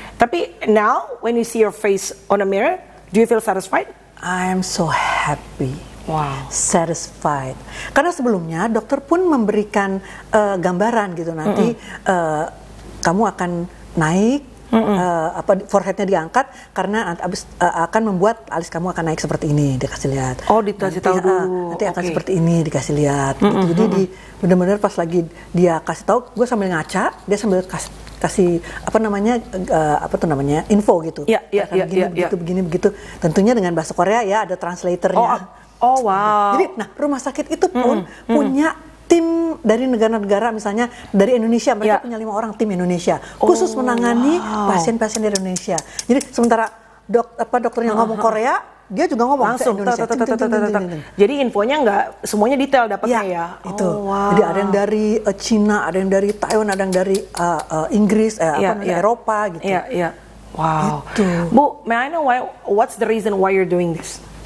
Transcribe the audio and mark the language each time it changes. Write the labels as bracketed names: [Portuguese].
[Indonesian] Tapi [English] now when you see your face on a mirror, do you feel satisfied? I am so happy. Wow, satisfied. [Indonesian] Karena sebelumnya dokter pun memberikan gambaran gitu nanti kamu akan naik apa forehead-nya diangkat karena abis akan membuat alis kamu akan naik seperti ini, dikasih lihat. Oh, dikasih tahu dulu. Nanti akan seperti ini, dikasih lihat. Gitu. Jadi benar-benar pas lagi dia kasih tahu, gue sambil ngaca, dia sambil kasih apa namanya info gitu. Iya, iya, iya. Begitu. Tentunya dengan bahasa Korea ya, ada translator-nya. [English] Oh wow. [Indonesian] Jadi nah rumah sakit itu pun punya tim dari negara-negara misalnya dari Indonesia mereka punya 5 orang tim Indonesia khusus menangani pasien-pasien dari Indonesia. Jadi sementara dokternya ngomong Korea, dia juga ngomong langsung Indonesia. Jadi infonya enggak semuanya detail dapatnya ya. Itu. Jadi ada yang dari Cina, ada yang dari Taiwan, ada yang dari Inggris, Eropa gitu. Iya, iya. Wow. [English] Bu, may I know why what's the reason why you're doing this?